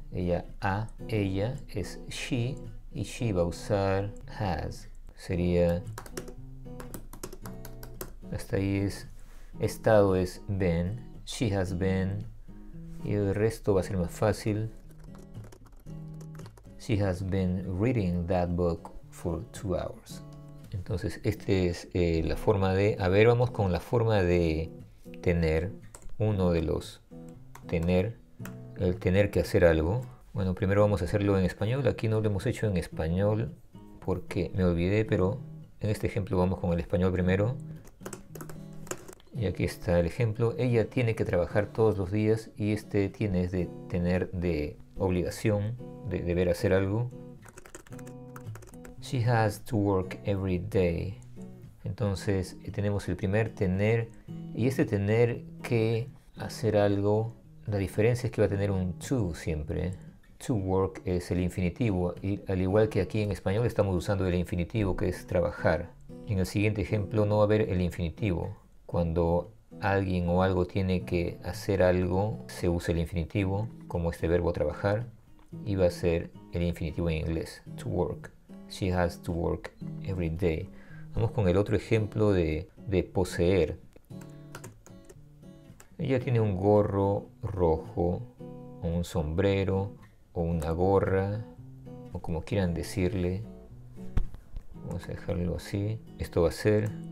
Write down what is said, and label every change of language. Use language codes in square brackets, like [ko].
[es] Ella ha. Ella es she. Y she va a usar has. Sería. Hasta ahí es. Estado es been. [en] She has been. [es] Y el resto va a ser más fácil. [en] She has been reading that book for 2 hours. [es] Entonces, esta es la forma de. A ver, vamos con la forma de tener. Uno de los tener. El tener que hacer algo. Bueno, primero vamos a hacerlo en español. Aquí no lo hemos hecho en español porque me olvidé, pero en este ejemplo vamos con el español primero. Y aquí está el ejemplo. Ella tiene que trabajar todos los días y este tiene es de tener de obligación. De deber hacer algo. [en] She has to work every day. [es] Entonces tenemos el primer tener y este tener que hacer algo. La diferencia es que va a tener un to siempre. [en] To work [es] es el infinitivo y al igual que aquí en español estamos usando el infinitivo que es trabajar. En el siguiente ejemplo no va a haber el infinitivo. Cuando alguien o algo tiene que hacer algo se usa el infinitivo como este verbo trabajar. Iba a ser el infinitivo en inglés, [en] to work. She has to work every day. [es] Vamos con el otro ejemplo de poseer. Ella tiene un gorro rojo, o un sombrero, o una gorra, o como quieran decirle. Vamos a dejarlo así. Esto va a ser.